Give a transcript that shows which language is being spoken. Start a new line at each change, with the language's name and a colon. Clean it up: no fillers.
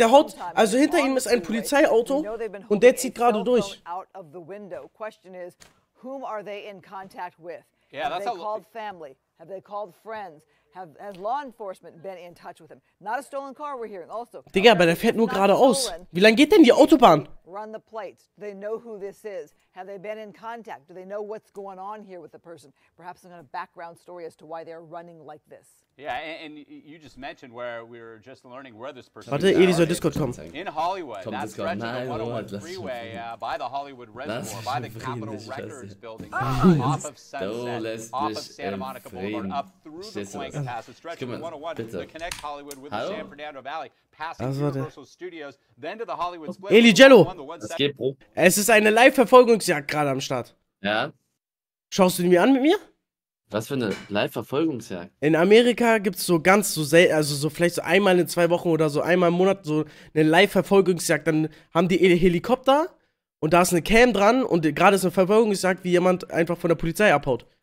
German: Der haut, also hinter ihm ist ein Polizeiauto und der zieht gerade durch.
English: Out of the window. Question is, whom are they in contact with? Yeah, have they called family? Have they called friends? Has law enforcement been in touch with him? Not a stolen car we're hearing also.
German: Digga, aber der fährt nur geradeaus. Wie lange geht denn die Autobahn?
English: Run the plates. Do they know who this is? Have they been in contact? Do they know what's going on here with the person? Perhaps some kind of background story as to why they're running like this.
German: Warte, Eli soll Discord kommen.
English: In Hollywood,
German: komm,
English: that Discord. Stretch of the 101 Freeway, by the Hollywood Reservoir, by the Capitol Records Building, off of Sunset, off of Santa Monica Boulevard, up through the Cuenca Pass, the stretch of the 101 to connect Hollywood with the San Fernando Valley, passing Universal Studios, then to the Hollywood Split.
German: Eli Jello, es geht, Bro. Es ist eine Live-Verfolgungsjagd gerade am Start. Ja. Schaust du ihn mir an mit mir? Was für eine Live-Verfolgungsjagd? In Amerika gibt's so ganz, so selten, also so vielleicht so einmal in zwei Wochen oder so einmal im Monat so eine Live-Verfolgungsjagd. Dann haben die Helikopter und da ist eine Cam dran und gerade ist eine Verfolgungsjagd, wie jemand einfach von der Polizei abhaut.